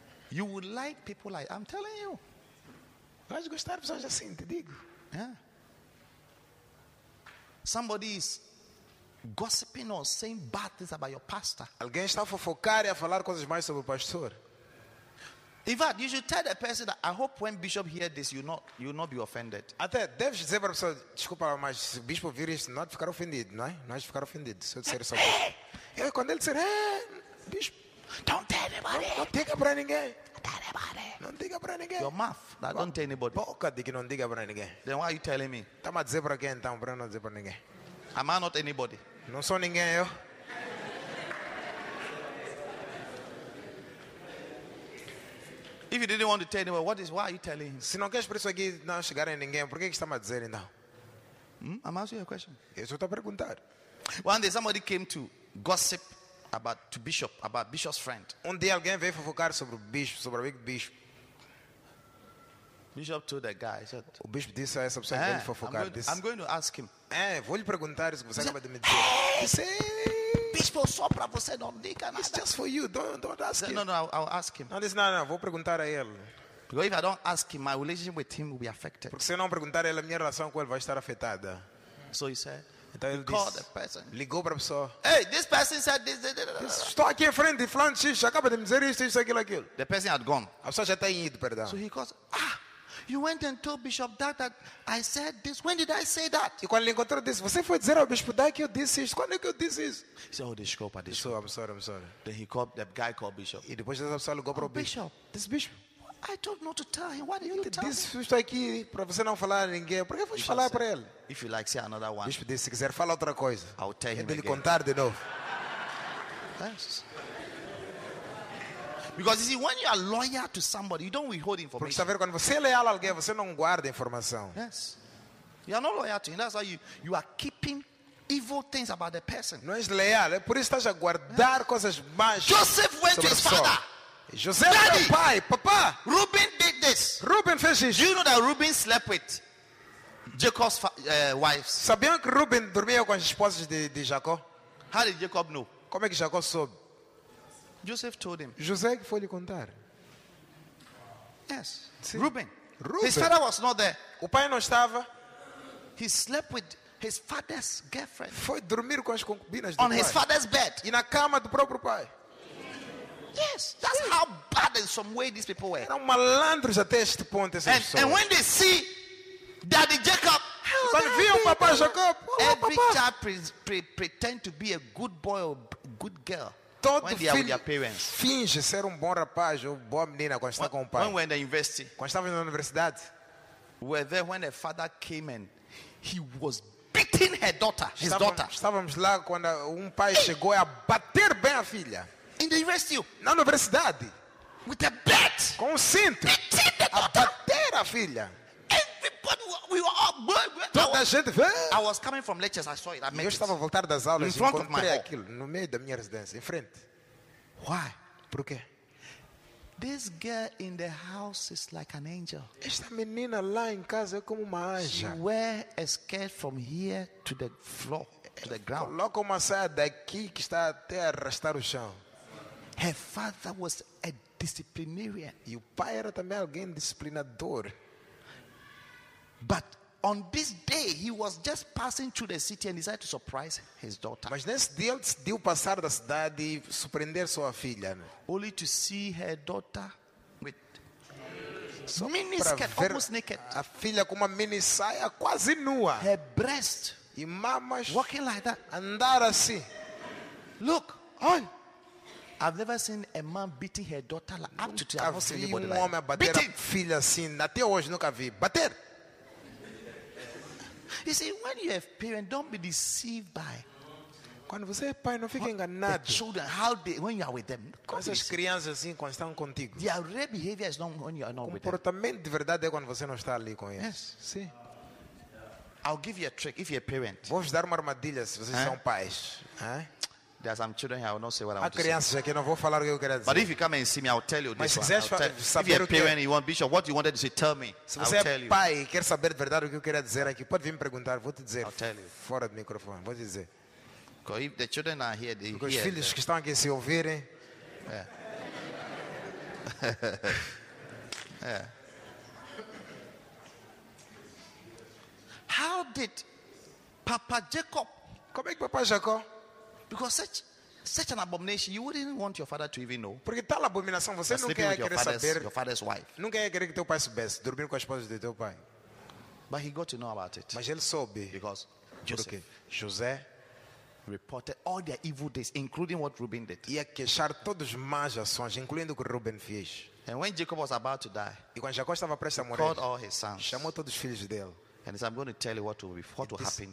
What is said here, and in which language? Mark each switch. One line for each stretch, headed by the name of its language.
English: You would like people like, I'm telling you.
Portuguese: Vai gostar de pessoas assim, te digo.
English: Yeah. Somebody is gossiping or saying bad things about your pastor.
Portuguese: Alguém está a fofocar e a falar coisas mais sobre o pastor.
English: In fact, you should tell the person that I hope when bishop hear this, you will not be offended.
Portuguese: Até deve dizer para a pessoa, desculpa, mas se o bispo vir isso, não é de ficar ofendido, não é? Não é de ficar ofendido. Se eu disser isso. Hey! Quando ele disser, bispo,
English: don't tell anybody.
Portuguese: Não diga para ninguém.
English: Tell anybody.
Portuguese: Não diga para ninguém.
English: Your mouth. That don't tell anybody.
Portuguese: Boca de que não diga para ninguém.
English: Then why are you telling me?
Portuguese: Tá a dizer para quem então? Para não dizer para ninguém.
English: Am I not anybody?
Portuguese: Não sou ninguém eu.
English: If you didn't want to tell anyone, why are you telling him?
Portuguese: Se não queres por isso aqui não chegar a ninguém, por que está a dizer então?
English: I'm asking you a question.
Portuguese: Eu estou a perguntar.
English: One day somebody came to gossip about bishop's friend.
Portuguese: Um dia alguém veio fofocar sobre o bishop, sobre o bishop.
English: Bishop told the guy. Said,
Portuguese: o bishop disse a essa pessoa que veio fofocar.
English: I'm going to ask him.
Portuguese: Vou lhe perguntar isso que você acaba de me dizer. Bispo, só para você não diga nada.
English: It's just for you. Don't ask him. No, I'll ask him.
Portuguese: Não, vou perguntar a ele.
English: Because if I don't ask him, my relationship with him will be affected.
Portuguese: Porque se eu não perguntar a ele, a minha relação com ele vai estar afetada.
English: So he said.
Portuguese: Então ele
English: called the person.
Portuguese: Ligou para a pessoa.
English: Hey, this person said this. Estou
Portuguese: aqui em frente de Flan Chief. Acaba de me dizer isso, aquilo, aquilo.
English: The person had gone.
Portuguese: A pessoa já tinha ido, perdão.
English: So he calls. You went and told Bishop that I said this. When did I say that?
Portuguese: E quando ele encontrou disse, você foi dizer ao Bispo Dyke que eu disse isso? Quando é que eu disse isso?
English: He said, oh,
Portuguese: desculpa, desculpa.
English: I'm sorry. Then he called, the guy called Bishop.
Portuguese: E depois dessa pessoa ligou para o
English: Bishop. This Bishop. I told not to tell him. Why did you tell this me?
Portuguese: Isso aqui para você não falar a ninguém. Por que foste falar para ele?
English: If you like, say another one.
Portuguese: Bispo disse, se quiser, fala outra coisa.
English: I'll tell him
Portuguese: again. Ele contar de novo.
English: Yes. Because you see, when you are loyal to somebody, you don't withhold information.
Portuguese: Porque saber quando você é leal a alguém, você não guarda informação.
English: Yes, you are not loyal to him. That's why you are keeping evil things about the person.
Portuguese: Não és leal, é por isso estás a guardar coisas más.
English: Joseph went to his father.
Portuguese: José foi ao pai. Papá.
English: Reuben did this.
Portuguese: Reuben fez isso.
English: Do you know that Reuben slept with Jacob's wives?
Portuguese: Sabiam que Reuben dormia com as esposas de Jacó?
English: How did Jacob know?
Portuguese: Como é que Jacó soube?
English: Joseph told him.
Portuguese: José que foi lhe contar.
English: Yes. Reuben. Reuben. His father was not there.
Portuguese: O pai não estava.
English: He slept with his father's girlfriend.
Portuguese: Foi dormir com as concubinas do
English: On
Portuguese: pai.
English: His father's bed.
Portuguese: E na cama do próprio pai.
English: Yes. That's yes. How bad in some way these people were.
Portuguese: Eram malandros até este ponto.
English: And when they see Daddy Jacob.
Portuguese: Quando viu o papai Jacob.
English: Every child pretend to be a good boy or good girl.
Portuguese: Todo filho finge ser bom rapaz ou boa menina quando está com o pai.
English: When we were in
Portuguese: quando estava na universidade,
English: were there when the father came and he was beating her daughter, his
Portuguese: estávamos,
English: daughter.
Portuguese: Estávamos lá quando pai chegou a bater bem a filha.
English: In the university,
Portuguese: na universidade,
English: with a bat,
Portuguese: com um cinto,
English: beating the daughter.
Portuguese: A bater a filha.
English: Everybody, we were all blowing.
Portuguese: Toda a gente vê.
English: I was coming from lectures, I saw it. I met
Portuguese: eu estava a voltar das aulas e encontrei aquilo no meio da minha residência, em frente.
English: Why?
Portuguese: Por quê?
English: This girl in the house is like an angel.
Portuguese: Esta menina lá em casa é como uma anja.
English: She wear a skirt from here to the floor, to the ground.
Portuguese: Coloca uma saia daqui que está até a arrastar o chão.
English: Her father was a disciplinarian.
Portuguese: E o pai era também alguém disciplinador.
English: But on this day, he was just passing through the city and decided to surprise his daughter.
Portuguese: Mas nesse dia, ele decidiu passar da cidade e surpreender sua filha.
English: Only to see her daughter with Só mini skirt, ver, almost naked.
Portuguese: A filha com uma mini saia quase nua.
English: Her breast.
Portuguese: E mamas.
English: Walking like that.
Portuguese: Andar assim.
English: Look. Oi. I've never seen a man beating her daughter like up to today. I've
Portuguese: seen um homem
English: like
Portuguese: bater beating. A filha assim. Até hoje nunca vi. Bater.
English: You see, when you have parents, don't be deceived by.
Portuguese: Quando você é pai, não fique enganado.
English: The children, how they, when you are with them.
Portuguese: Essas crianças assim, quando estão contigo.
English: Their real behavior is not when you are not with them.
Portuguese: Comportamento de verdade é quando você não está ali com eles.
English: Yes.
Portuguese: Sim.
English: I'll give you a trick if you're a parent.
Portuguese: Vou dar uma armadilha se vocês são pais.
English: There are some children here, I will not say what I want to say.
Portuguese: Crianças aqui, não vou falar o que eu queria dizer.
English: But if you come and see me, I'll tell you this. one. If you're a parent, you want bishop, what you wanted to say, tell me.
Portuguese: Se você
English: I'll
Portuguese: é
English: tell
Portuguese: pai
English: you.
Portuguese: E quer saber de verdade o que eu queria dizer aqui, pode vir me perguntar, vou te dizer.
English: I'll tell you.
Portuguese: Fora do microfone, vou te dizer.
English: Because if the children are here, they
Portuguese: Porque
English: hear
Portuguese: os filhos
English: the...
Portuguese: que estão aqui se ouvirem.
English: Yeah. How did Papa Jacob?
Portuguese: Como é que Papa Jacob?
English: Because such an abomination, you wouldn't want your father to even know.
Portuguese: Porque tal abominação, você não quer querer saber.
English: Your father's wife.
Portuguese: Nunca ia querer que teu pai soubesse, dormir com a esposa de teu pai.
English: But he got to know about it.
Portuguese: Mas ele soube.
English: Because Joseph.
Portuguese: José
English: reported all their evil deeds, including what Reuben did.
Portuguese: Ia queixar todas as más ações, incluindo o que Reuben fez.
English: And when Jacob was about to die,
Portuguese: e quando Jacó estava prestes a morrer,
English: called all his sons.
Portuguese: Chamou todos os filhos dele.
English: And he said, I'm going to tell you what will happen to you.